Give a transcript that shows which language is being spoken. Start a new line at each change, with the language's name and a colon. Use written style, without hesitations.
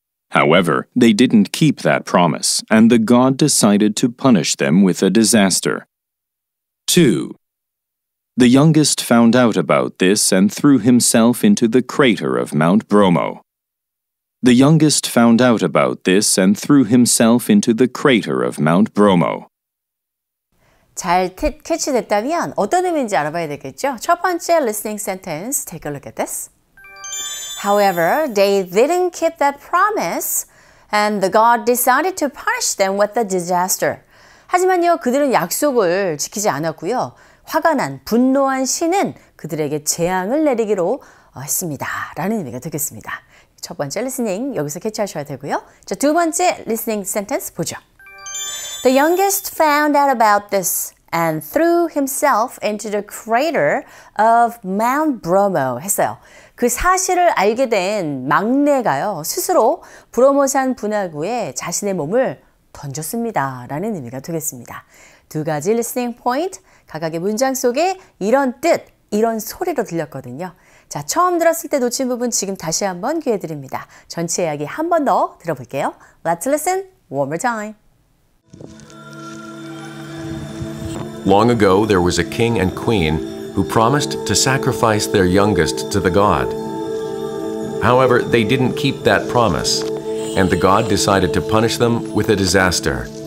English: However, they didn't keep that promise, and the god decided to punish them with a disaster. 2. The youngest found out about this and threw himself into the crater of Mount Bromo. The youngest found out about this and threw himself into the crater of Mount Bromo.
Korean: 잘 캐치됐다면 어떤 의미인지 알아봐야 되겠죠? 첫 번째
English: listening sentence, take a look at this. However, they didn't keep that promise, and the god decided to punish them with a disaster.
Korean: 하지만요, 그들은 약속을 지키지 않았고요. 화가 난, 분노한 신은 그들에게 재앙을 내리기로 했습니다. 라는 의미가 되겠습니다. 첫 번째 listening, 여기서 캐치하셔야 되고요. 자, 두 번째 listening sentence 보죠. The youngest found out about this and threw himself into the crater of Mount Bromo 했어요. 그 사실을 알게 된 막내가요. 스스로 브로모산 분화구에 자신의 몸을 던졌습니다. 라는 의미가 되겠습니다. 두 가지 listening point, 각각의 문장 속에 이런 뜻, 이런 소리로 들렸거든요. 자, 처음 들었을 때 놓친 부분 지금 다시 한번 기회 드립니다. 전체 이야기 한 번 더 들어볼게요.
English: Let's listen one more time. Long ago, there was a king and queen who promised to sacrifice their youngest to the god. However, they didn't keep that promise, and the god decided to punish them with a disaster.